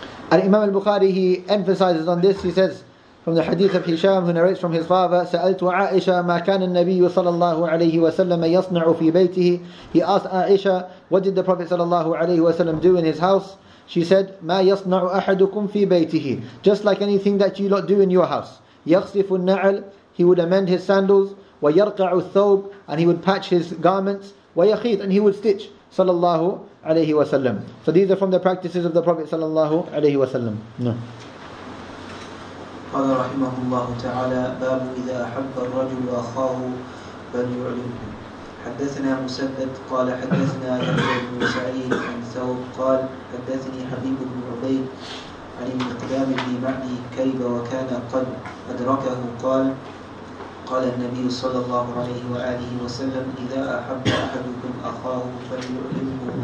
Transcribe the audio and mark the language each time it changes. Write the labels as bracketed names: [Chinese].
[English] Al-Imam al-Bukhari, he emphasizes on this, he says, from the hadith of Hisham, who narrates from his father, [Arabic] سَأَلْتُ عَائِشَ مَا كَانَ النَّبِيُّ صَلَى اللَّهُ عَلَيْهِ وَسَلَّمَ يَصْنَعُ فِي بَيْتِهِ. [English] He asked Aisha, what did the Prophet صلى الله عليه وسلم do in his house? She said, [Arabic] مَا يَصْنَعُ أَحَدُكُمْ فِي بَيْتِهِ. [English] Just like anything that you lot do in your house. [Arabic] يَخْصِفُ النَّعَلْ, [English] he would amend his sandals, [Arabic] وَيَرْقَعُ الثَّوْبُ, [English] and he would patch his garments, [Arabic] وَيَخِيطُ, [English] and he would stitch. Sallallahu alayhi wa sallam. So these are from the practices of the Prophet sallallahu alayhi wa sallam. No. [Arabic] قال رحمه الله تعالى باب إذا أحب الرجل أخاه فليعلمه. حدثنا مسدد قال حدثنا يحيى بن سعيد عن ثوب قال حدثني حبيب بن عبيد عن المقدام في معنه كذب وكان قد أدركه قال قال النبي صلى الله عليه وآله وسلم إذا أحب أحدكم أخاه فليعلمه.